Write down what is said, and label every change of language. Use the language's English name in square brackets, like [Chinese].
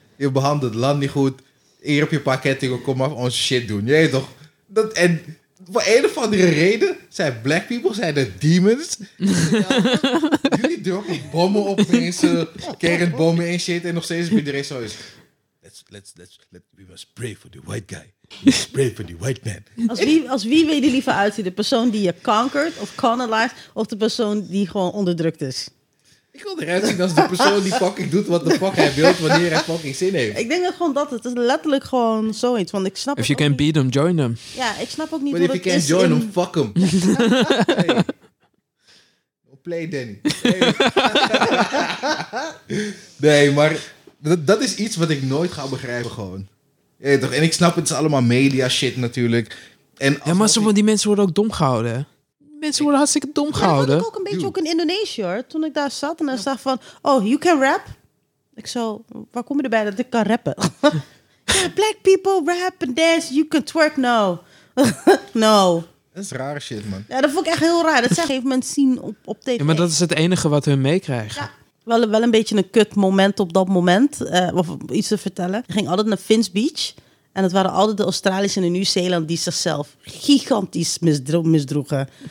[Dutch] Je behandelt het land niet goed. Hier op je paar kettingen, kom maar onze shit doen. Jij toch? Dat en. Voor een of andere reden zijn black people, zijn de demons. Jullie droppen bommen op mensen, kernbommen en shit. En nog steeds is iedereen zo. [English] We must pray for the white guy. We must pray for the white man. [Dutch] Als wie wil je liever uitzien? De persoon die je conquered of canalized, of de persoon die gewoon onderdrukt is? Ik wil eruit zien als de persoon die fucking doet wat de fuck hij wil, wanneer hij fucking zin heeft. Ik denk dat gewoon dat. Het is letterlijk gewoon zoiets. Want ik snap [English] if you can [Dutch] niet. [English] Beat them, join them. [Dutch] Ja, ik snap ook niet wat het is. [English] But if you can't join them, fuck them. Hey. No play, Danny. Hey. [Dutch] Nee, maar dat is iets wat ik nooit ga begrijpen gewoon. Ja, toch? En ik snap, het is allemaal media shit natuurlijk. En ja, maar die mensen worden ook dom gehouden, hè? Mensen worden hartstikke dom gehouden. Dat had ik ook een beetje ook in Indonesië, hoor. Toen ik daar zat en zag van, [English] oh, you can rap? [Dutch] Ik zo, waar kom je erbij dat ik kan rappen? [English] Black people rap and dance, you can twerk, no. No. [Dutch] Dat is rare shit, man. Ja, dat vond ik echt heel raar. Dat zijn gegeven moment zien op tv. Ja, maar dat is het enige wat hun meekrijgen. Ja. Wel een beetje een kut moment op dat moment. Of iets te vertellen. Ik ging altijd naar Finns Beach. En het waren altijd de Australiërs en de Nieuw-Zeeland die zichzelf gigantisch misdroegen.